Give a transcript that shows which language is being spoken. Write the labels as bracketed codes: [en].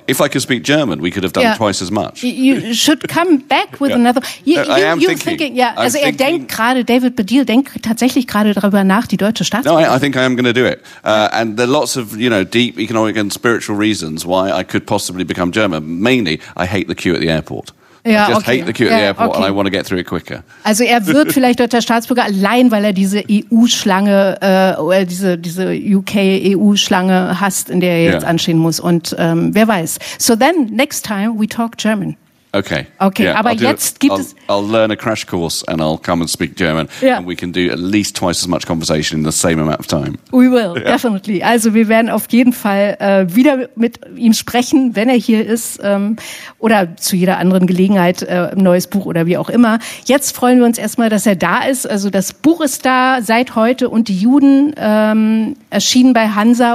[en] If I could speak German, we could have done twice as much. You should come back with another. I am thinking. [de] Er denkt gerade, David Baddiel denkt tatsächlich gerade darüber nach, die deutsche Staatsbürger. [en] No, I think I am going to do it. And there are lots of, you know, deep economic and spiritual reasons why I could possibly become German. Mainly, I hate the queue at the airport. Hate the queue at the airport and I want to get through it quicker. [de] Also er wird vielleicht deutscher Staatsbürger allein, weil er diese EU-Schlange, diese UK-EU-Schlange hasst, in der er jetzt anstehen muss. Und wer weiß. [en] So then, next time, we talk German. Okay. [de] Okay, aber jetzt gibt es... [en] I'll learn a crash course and I'll come and speak German. Yeah. And we can do at least twice as much conversation in the same amount of time. We will, definitely. [de] Also wir werden auf jeden Fall wieder mit ihm sprechen, wenn er hier ist. Oder zu jeder anderen Gelegenheit, neues Buch oder wie auch immer. Jetzt freuen wir uns erstmal, dass er da ist. Also das Buch ist da seit heute und die Juden erschienen bei Hansa.